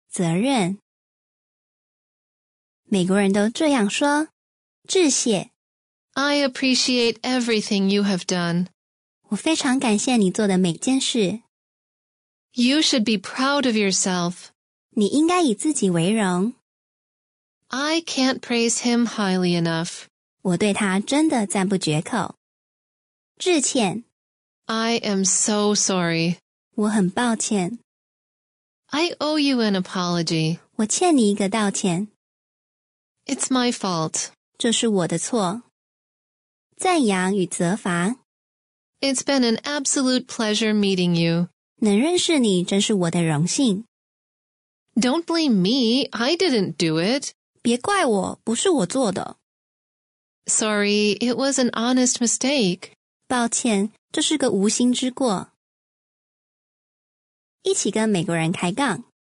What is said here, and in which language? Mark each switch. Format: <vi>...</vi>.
<zh>责任美国人都这样说致谢</zh> <en>I appreciate everything you have done.</en> <zh>我非常感谢你做的每件事</zh> <en>You should be proud of yourself.</en> <zh>你应该以自己为荣。</zh> <en>I can't praise him highly enough.</en> <zh>我对他真的赞不绝口。致歉。</zh> <en>I am so sorry.</en> <zh>我很抱歉。</zh> <en>I owe you an apology.</en> <zh>我欠你一个道歉。</zh> <en>It's my fault.</en> <zh>这是我的错。赞扬与责罚。</zh> <en>It's been an absolute pleasure meeting you.</en> <zh>能认识你真是我的荣幸。</zh> <en>Don't blame me, I didn't do it.</en> <zh>别怪我，不是我做的。</zh> <en>Sorry, it was an honest mistake.</en> <zh>抱歉，这是个无心之过。一起跟美国人开杠。</zh>